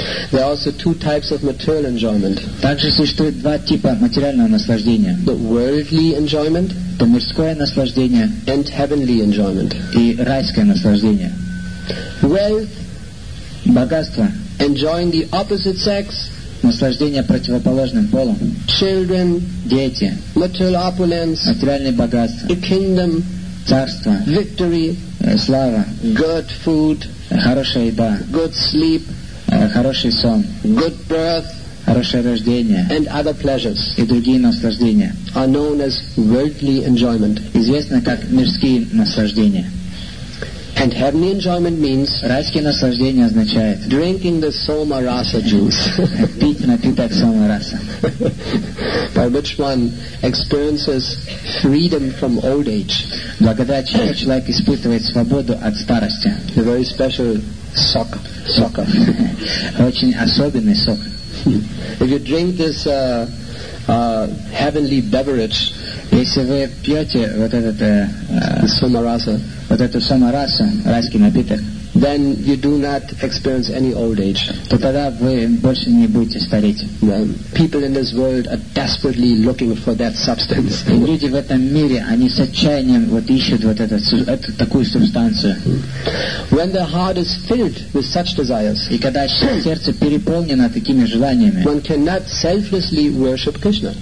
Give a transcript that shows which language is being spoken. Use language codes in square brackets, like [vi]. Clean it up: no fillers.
[en] There are also two types of material enjoyment. [ru] Также существует два типа материального наслаждения. [en] The worldly enjoyment. [ru] То мирское наслаждение. [en] And heavenly enjoyment. [ru] И райское наслаждение. [en] Wealth. [ru] Богатство. [en] Enjoying the opposite sex. [ru] Наслаждение противоположным полом. [en] Children. [ru] Дети. [en] Material opulence. [ru] Материальное богатство. [en] A kingdom. [ru] Царство. [en] Victory. [ru] Слава. [en] Good food. [ru] Хорошая еда. [en] Good sleep. [ru] Хороший сон. [en] Good birth. [ru] Хорошее рождение. [en] And other pleasures. [ru] И другие наслаждения. [en] Are known as worldly enjoyment. [ru] Известны как мирские наслаждения. [en] And heavenly enjoyment means. [ru] Райские наслаждения означает. [en] Drinking the soma rasa juice. [ru] Пить напиток сома раса. [en] By which one experiences freedom from old age. [ru] Благодаря чему человек испытывает свободу от старости. [en] A very special sok. [ru] Сок. Очень особенный сок. [en] If you drink this heavenly beverage. [ru] Если вы пьете вот этот сома раса. Вот это самараса, райский напиток. [en] Then you do not experience any old age. [ru] То тогда вы больше не будете стареть. [en] People in this world are desperately looking for that substance. [ru] Люди в этом мире, они с отчаянием вот ищут вот эту такую субстанцию. [en] When the heart is filled with such desires. [ru] И когда сердце переполнено такими желаниями. [en] One cannot selflessly worship Krishna.